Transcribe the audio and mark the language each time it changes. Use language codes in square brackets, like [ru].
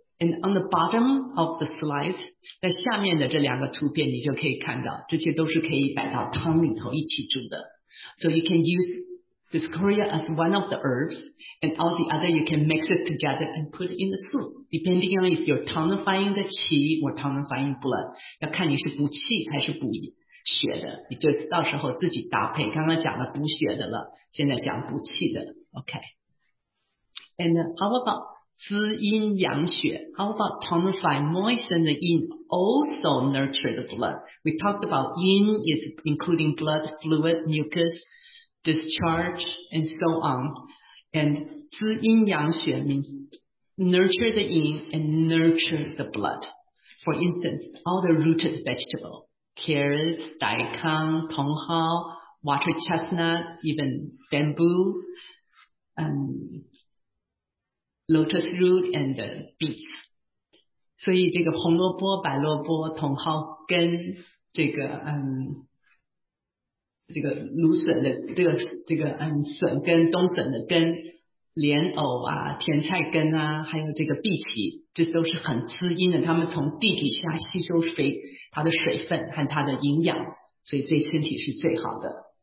[en] And on the bottom of the slice, [zh] 在下面的这两个图片你就可以看到这些都是可以摆到汤里头一起煮的。 [en] So you can use discoria as one of the herbs, and all the other you can mix it together and put in the soup, depending on if you're tonifying the qi or tonifying blood. [zh] 要看你是补气还是补血的你就到时候自己搭配刚刚讲了补血的了现在讲补气的。 [en] Okay. And how about... 滋阴养血 How about tonify moisten the yin also nurture the blood? We talked about yin is including blood, fluid, mucus, discharge, and so on. And 滋阴养血 means nurture the yin and nurture the blood. For instance, all the rooted vegetables, carrots, daikon, tonghao, water chestnut, even bamboo, Lotus root and the beets. [zh] 所以这个红萝卜、白萝卜、茼蒿跟这个这个芦笋的这个笋根、冬笋的根、莲藕啊、甜菜根啊，还有这个荸荠，这都是很滋阴的。它们从地底下吸收水，它的水分和它的营养，所以对身体是最好的。